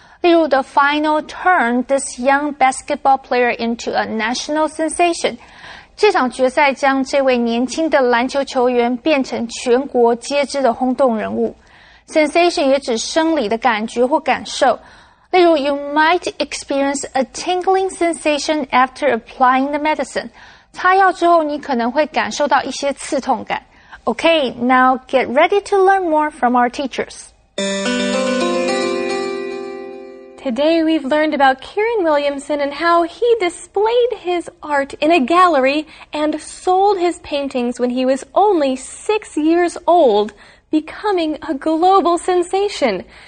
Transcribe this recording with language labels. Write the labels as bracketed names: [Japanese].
[Chinese] 例如 [English] The final turn this young basketball player into a national sensation. [Chinese] 这场决赛将这位年轻的篮球球员变成全国皆知的轰动人物。 [English] Sensation [Chinese] 也指生理的感觉或感受。例如 [English] You might experience a tingling sensation after applying the medicine. [Chinese] 擦药之后你可能会感受到一些刺痛感。 [English] Okay, now get ready to learn more from our teachers. Today we've learned about Kieran Williamson and how he displayed his art in a gallery and sold his paintings when he was only 6 years old, becoming a global sensation.